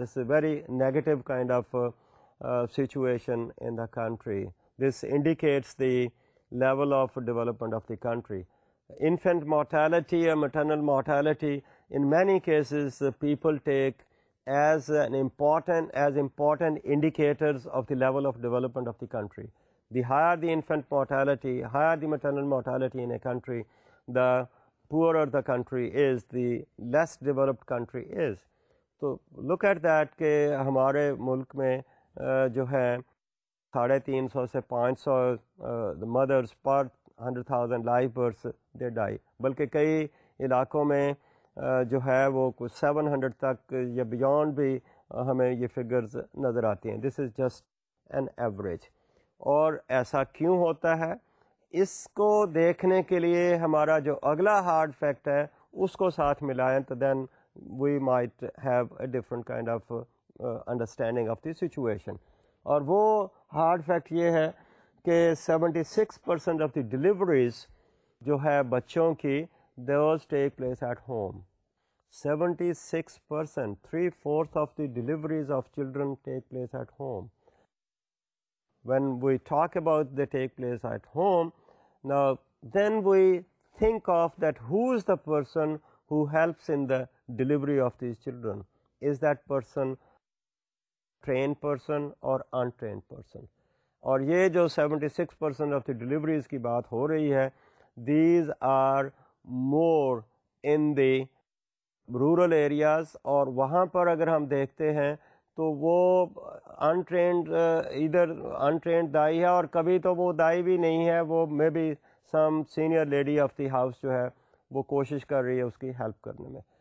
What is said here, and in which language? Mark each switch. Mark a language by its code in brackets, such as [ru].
[en] This a very negative kind of situation in the country. This indicates the level of development of the country. Infant mortality or maternal mortality, in many cases people take as an important, as important indicators of the level of development of the country. The higher the infant mortality, higher the maternal mortality in a country, the poorer the country is, the less developed country is. So look at that, [ur] ke hamare mulk mein jo hai 350 سے 500 [en] mothers per 100,000 live births they die, [ur] بلکہ کئی علاقوں میں جو ہے وہ کچھ 700 تک یا بیونڈ بھی ہمیں یہ فگرز نظر آتی ہیں. [en] This is just an average. [ur] اور ایسا کیوں ہوتا ہے, اس کو دیکھنے کے لیے ہمارا جو اگلا ہارڈ فیکٹ ہے اس کو ساتھ ملائیں تو [en] Then we might have a different kind of understanding of the situation. اور وہ hard fact [ur] یہ ہے کہ [en] 76% of the deliveries [ur] جو ہے بچوں کی [en] Those take place at home. 76% 3/4 of the deliveries of children take place at home. When we talk about the take place at home, نا دین we think of that who is the person who helps in the delivery of these children. Is that person train person اور ان train person. [ur] اور یہ جو 76% of the deliveries کی بات ہو رہی ہے, [en] These are more in the rural areas. [ur] اور وہاں پر اگر ہم دیکھتے ہیں تو وہ ان ٹرینڈ, ادھر ان ٹرینڈ دائی ہے اور کبھی تو وہ دائی بھی نہیں ہے, وہ [en] maybe some senior lady of the house [ur] جو ہے وہ کوشش کر رہی ہے اس کی ہیلپ کرنے میں.